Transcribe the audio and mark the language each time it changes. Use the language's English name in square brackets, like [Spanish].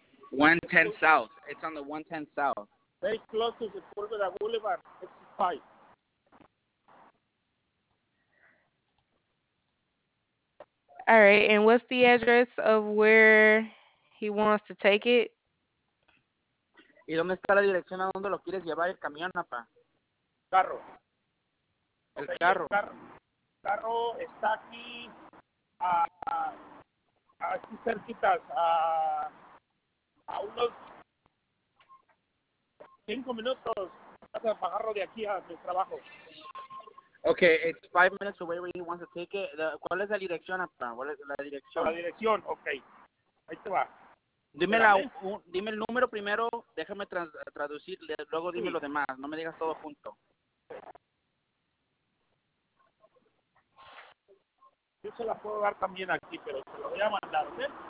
[English] 110 south. It's on the 110 south. Very close to Sepulveda Boulevard. Exit 5. All right, and what's the address of where he wants to take it? [Spanish] ¿Y dónde está la dirección a dónde lo quieres llevar el camión, apa? Carro. El carro. El carro está aquí, aquí cerquitas, a unos 5 minutos para bajarlo de aquí a mi trabajo. [English] Okay, it's 5 minutes away where he wants to take it. [Spanish] ¿Cuál es la dirección, apa? ¿Cuál es la dirección? La dirección, okay. Ahí te va. Dime, la, un, dime el número primero, déjame traducir, luego dime sí. Lo demás. No me digas todo junto. Yo se la puedo dar también aquí, pero te lo voy a mandar, ¿ok?